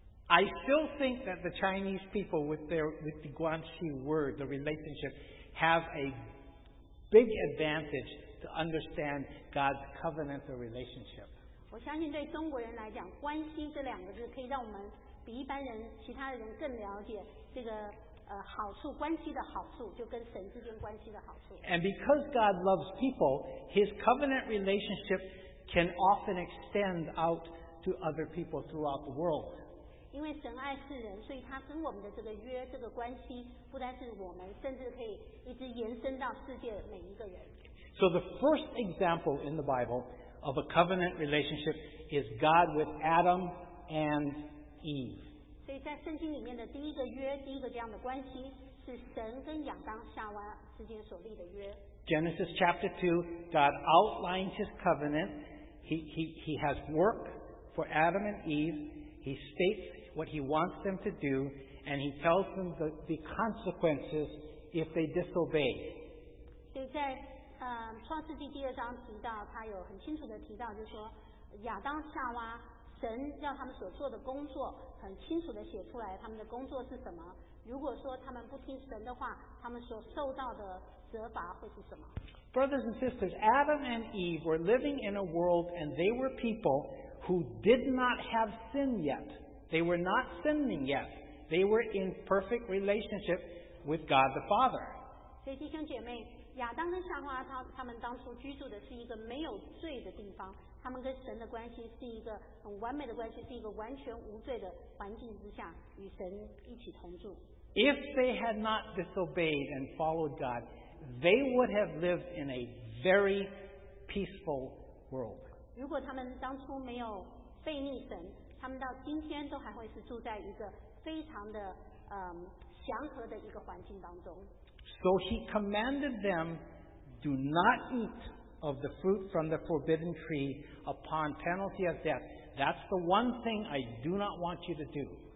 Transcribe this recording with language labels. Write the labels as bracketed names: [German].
[English] I still think that the Chinese people with the Guanxi word, the relationship, have a big advantage to understand God's covenantal relationship. [Chinese] 我相信对中国人来讲，关系这两个字可以让我们比一般人、其他的人更了解这个好处，关系的好处，就跟神之间关系的好处。 [English] And because God loves people, His covenant relationship can often extend out to other people throughout the world. [Chinese] 因为神爱世人，所以他跟我们的这个约、这个关系，不单是我们，甚至可以一直延伸到世界每一个人。 [English] So the first example in the Bible of a covenant relationship is God with Adam and Eve. [Chinese] 所以在圣经里面的第一个约、第一个这样的关系，是神跟亚当、夏娃之间所立的约。 [English] Genesis chapter 2, God outlines his covenant. He has work for Adam and Eve. He states what he wants them to do, and he tells them the consequences if they disobey. [Chinese] 所以在创世纪第二章提到，他有很清楚的提到，就是说亚当夏娃，神要他们所做的工作很清楚的写出来，他们的工作是什么。如果说他们不听神的话，他们所受到的责罚会是什么。 [English] Brothers and sisters, Adam and Eve were living in a world and they were people who did not have sin yet. They were not sinning yet. They were in perfect relationship with God the Father. [Chinese] 所以弟兄姐妹，亚当跟夏娃他们当初居住的是一个没有罪的地方，他们跟神的关系是一个很完美的关系，是一个完全无罪的环境之下，与神一起同住。 [English] If they had not disobeyed and followed God, they would have lived in a very peaceful world. [Chinese] 如果他们当初没有悖逆神，他们到今天都还会是住在一个非常的祥和的一个环境当中。 [English] So he commanded them, do not eat of the fruit from the forbidden tree upon penalty of death. That's the one thing I do not want you to do.